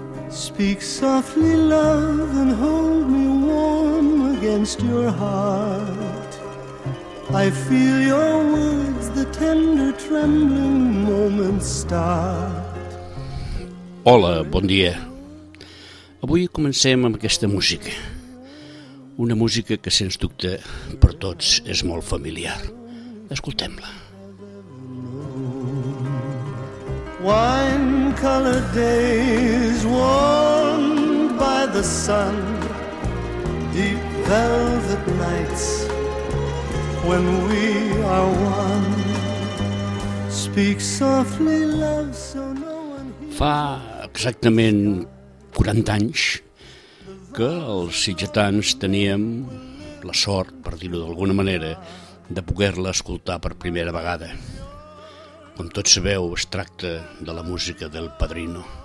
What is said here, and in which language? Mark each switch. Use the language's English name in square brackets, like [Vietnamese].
[English] Speak softly, love, and hold me warm against your heart. I feel your words, the tender trembling moments start. [Catalan] Hola, bon dia. Avui comencem amb aquesta música. Una música que, sens dubte, per tots és molt familiar. Escoltem-la. [English] Wine-colored days worn by the sun, deep velvet nights when we are one. Speak softly, love, so no one hears. [Catalan] Fa exactament 40 anys que els sitgetans teníem la sort, per dir-ho d'alguna manera, de poder-la escoltar per primera vegada. Com tots sabeu, es tracta de la música del Padrino.